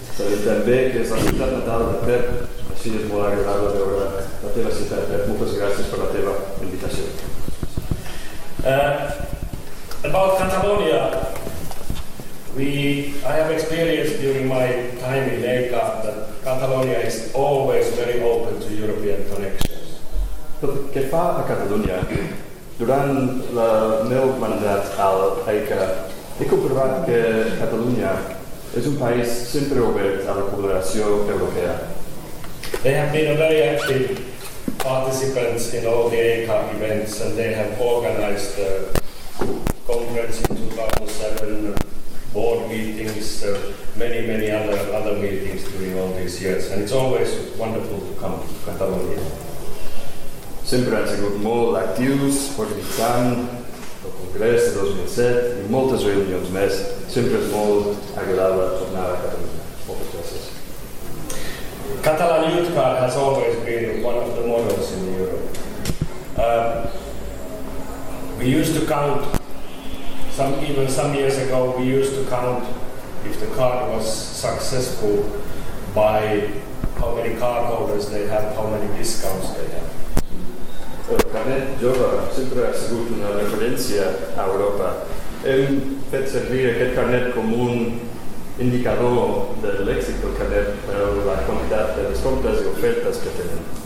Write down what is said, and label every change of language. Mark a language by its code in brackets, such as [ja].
[ca] Sabem també que és la ciutat natal de Pep, així és molt agradable veure la teva ciutat, Pep. Moltes gràcies per la teva invitació. [en] About Catalonia, I have experienced during my time in ECA that Catalonia is always very open to European connections. [ca] Tot que fa a Catalunya, durant el meu mandat a ECA, he comprovat que Catalunya és un país sempre obert a la col·laboració europea. [en] They have been a very active participants in all the ECA events, and they have organized the conference in 2007, board meetings, many other meetings during all these years, and it's always wonderful to come to Catalonia. [ca] sempre han sigut molt actius, organitzant el Congrés de 2007 i moltes reunions més. Sempre és molt agradable tornar a Catalunya. Moltes gràcies. [en] Català Lluitka has always been one of the models in Europe. We used to count, some years ago, we used to count if the card was successful by how many cardholders they have, how many discounts they have. [ca] El carnet jove sempre ha sigut una referència a Europa. Hem fet servir aquest carnet com un indicador de l'èxit del carnet per la quantitat de descomptes i ofertes que tenen.